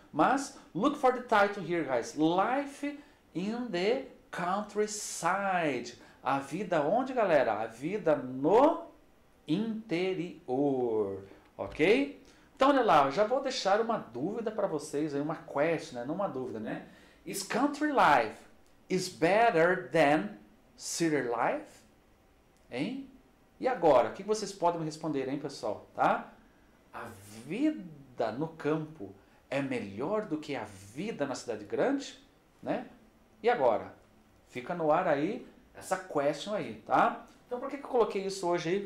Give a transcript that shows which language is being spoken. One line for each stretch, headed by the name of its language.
English: Mas, look for the title here, guys. Life in the countryside.
Portuguese: A vida onde, galera? A vida no interior, ok? Então, olha lá, eu já vou deixar uma dúvida para vocês aí, uma question, né? Não uma dúvida, né?
English: Is country life is better than city life?
Portuguese: Hein? E agora, o que vocês podem me responder, hein, pessoal? Tá? A vida no campo é melhor do que a vida na cidade grande? Né? E agora? Fica no ar aí essa question aí, tá? Então, por que eu coloquei isso hoje aí?